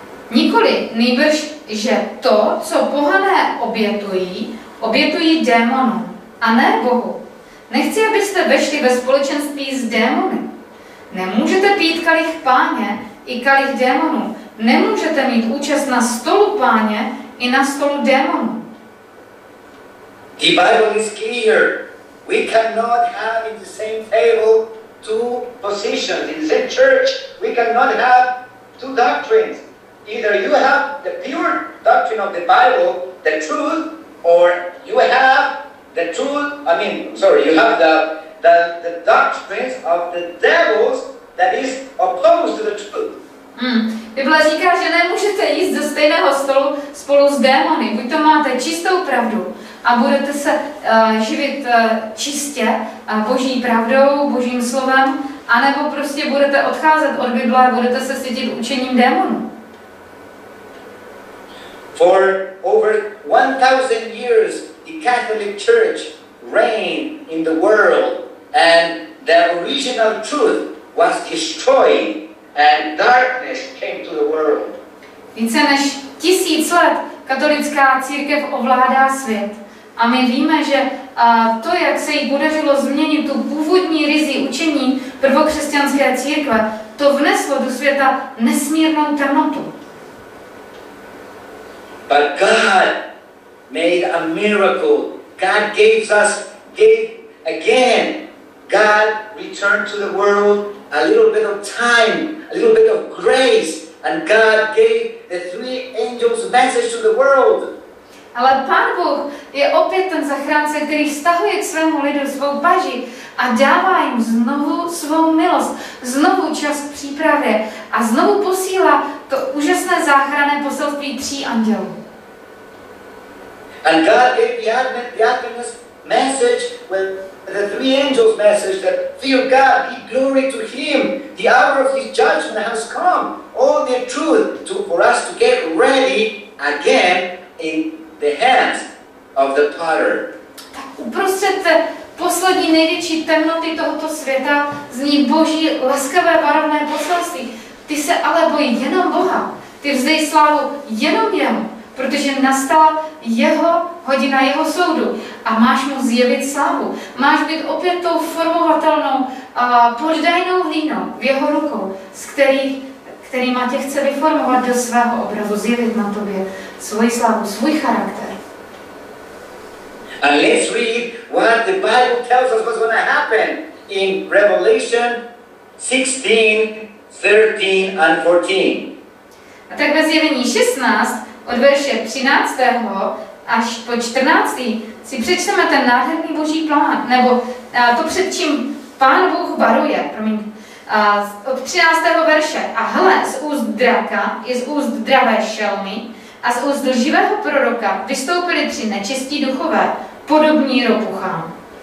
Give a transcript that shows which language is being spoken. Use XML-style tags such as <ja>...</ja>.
<cs>Nikoli, nýbrž, že to, co pohané obětují démonu a ne Bohu. Nechci, abyste vešli ve společenství s démony. Nemůžete pít kalich páně i kalich démonů. Nemůžete mít účast na stolu páně i na stolu démonů.</cs> <en>The Bible is clear. We cannot have in the same table two positions. In the same church, we cannot have two doctrines. Either you have the pure doctrine of the Bible, the truth, or you have the truth, I mean, sorry, you have the doctrines of the devils that is opposed to the truth.</en> <cs>Bible říká, že nemůžete jíst ze stejného stolu spolu s démony. Buď to máte čistou pravdu a budete se živit čistě Boží pravdou, Božím slovem, anebo prostě budete odcházet od Bible a budete se cítit učením démonů.</cs> <en>For over 1000 years the Catholic Church reigned in the world and the original truth was destroyed and darkness came to the world.</en> <cs>Více než 1000 let katolická církev ovládá svět. A my víme, že to, jak se jí podařilo změnit tu původní ryzí učení prvokřesťanské církve, to vneslo do světa nesmírnou temnotu.</cs> <en>But God made a miracle. God gave us gave again. God returned to the world a little bit of time, a little bit of grace, and God gave the three angels' message to the world.</en> <cs>Ale Pán Bůh je opět ten zachránce, který vztahuje k svému lidu svou paži a dává jim znovu svou milost, znovu čas k přípravě a znovu posílá to úžasné záchranné poselství tří andělů.</cs> <en>And God gave the Adventist message when the three angels' message that fear God, give glory to Him, the hour of His judgment has come. All the truth to for us to get ready again in the hands of the Potter.</en> <cs>Uprostřed poslední největší temnoty tohoto světa zní Boží laskavé varovné poselství. Ty se ale bojí jenom Boha. Ty vzdej slávu jenom Jemu. Protože nastala jeho hodina, jeho soudu a máš mu zjevit slávu. Máš být opět tou formovatelnou poždajnou hlínou v jeho rukou, který má tě chce vyformovat do svého obrazu, zjevit na tobě svoji slávu, svůj charakter.</cs> <en>And let's read what the Bible tells us what's going to happen in Revelation 16, 13 and 14.</en> <cs>A tak ve zjevení 16, od verše 13. až po 14. si přečteme ten nádherný Boží plán, nebo to, před čím Pán Bůh varuje, od 13. verše. A hle, z úst draka i z úst dravé šelmy a z úst lživého proroka vystoupili tři nečistí duchové, podobní ropuchám.</cs>